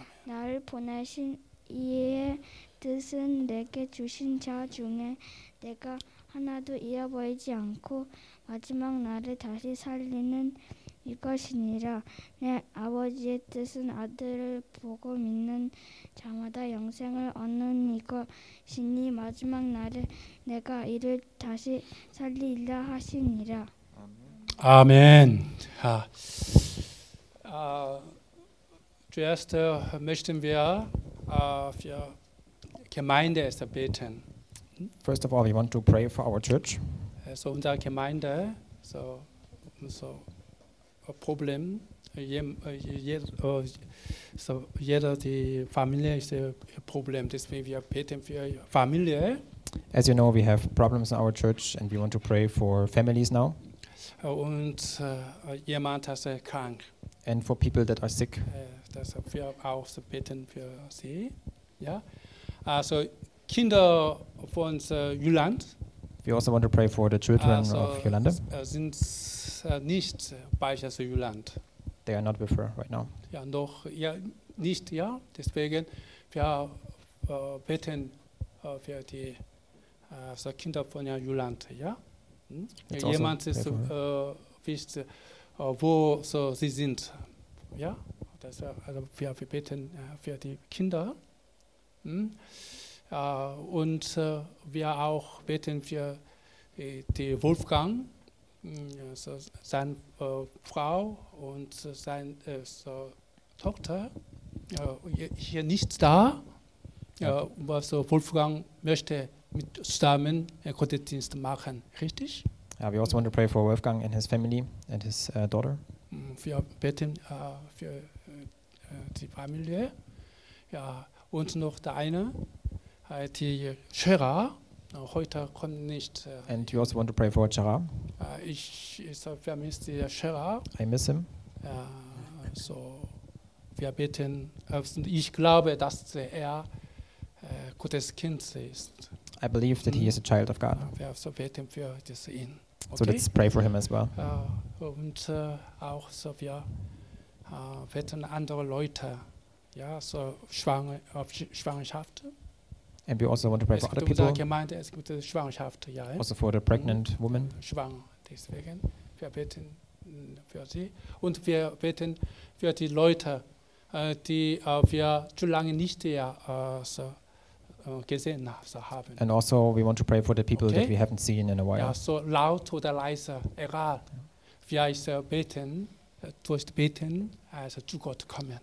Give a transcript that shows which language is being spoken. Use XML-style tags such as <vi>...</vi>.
<ko>나를 보내신 이의 뜻은 내게 주신 자 중에 내가 하나도 잃어버리지 않고 마지막 날에 다시 살리는 이것이니라. 내 아버지의 뜻은 아들을 보고 믿는 자마다 영생을 얻는 이것이니 마지막 날에 내가 이를 다시 살리리라 하시니라. 아멘.</ko> <de>아, zuerst möchten wir für Gemeinde beten.</de> <en>First of all, we want to pray for our church.</en> <de>So unsere Gemeinde, so Problem, jeder die Familie ist ein Problem, deswegen wir beten für Familie.</de> <en>As you know, we have problems in our church and we want to pray for families now.</en> <de>Und jemand ist krank.</de> <en>And for people that are sick.</en> <de>Das wir auch beten für sie, ja. Also Kinder von Jylland.</de> <en>We also want to pray for the children of Jolanda.</en> <de>Sind nicht bei Jolland.</de> <en>They are not with her right now.</en> <de>Ja, noch ja, nicht, ja. Deswegen wir beten für die so Kinder von Jolland, ja. Hm? Jemand ist wisst, wo so sie sind, ja. Das, also wir beten für die Kinder. Hm? Und wir auch beten für die Wolfgang, so seine Frau und seine so Tochter. Hier nicht da, was so Wolfgang möchte mit zusammen Gottesdienst machen, richtig?</de> <en>Yeah, we also want to pray for Wolfgang and his family and his daughter.</en> <de>Wir beten für die Familie. Ja, und noch der eine, die Chera, heute kommt nicht.</de> <en>And you also want to pray for Chera?</en> <de>Ich vermisse die Chera.</de> <en>I miss him.</en> <de>So wir beten, und ich glaube, dass er gutes Kind ist.</de> <en>I believe that he is a child of God.</en> <de>Wir also beten für das ihn.</de> <en>So okay. Let's pray for him as well.</en> <de>Und auch so wir beten andere Leute, ja, so Schwangerschaft.</de> <en>And we also want to pray</en> <de>es</de> <en>for other people.</en> <de>Gemeinde, es gibt Schwangerschaft, ja,</de> <en>also for the pregnant woman.</en> <de>Schwanger, deswegen. Wir beten für sie. Und wir beten für die Leute, die wir zu lange nicht mehr so gesehen haben. And also we want to pray for the people okay. that we haven't seen in a while. Ja, so laut oder leise, egal. Wir beten, durch beten, also zu Gott kommen.</de>